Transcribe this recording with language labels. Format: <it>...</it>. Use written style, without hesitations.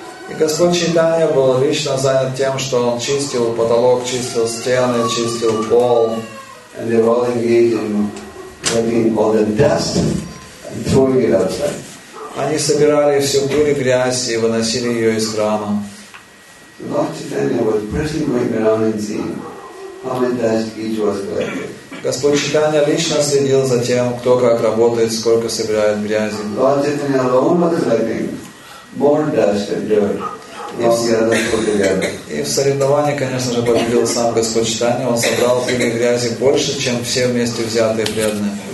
<ru>И Господь Чайтанья был лично занят тем, что он чистил потолок, чистил стены, чистил пол.</ru> <en>And they were all engaged in collecting all the dust and throwing it outside.</en> <ru>Они собирали всю пыль и грязь и выносили ее из храма.</ru> <en>So Lord Chaitanya was personally going around and seeing how many dust each was collecting.</en> <ru>Господь Чайтанья лично следил за тем, кто как работает, сколько собирает грязи.</ru> <en>Lord Chaitanya alone was collecting more dust and dirt.</en> <ru>И в соревновании, конечно же, победил сам Господь Чайтанья. Он собрал пыли грязи больше, чем все вместе взятые преданные.</ru>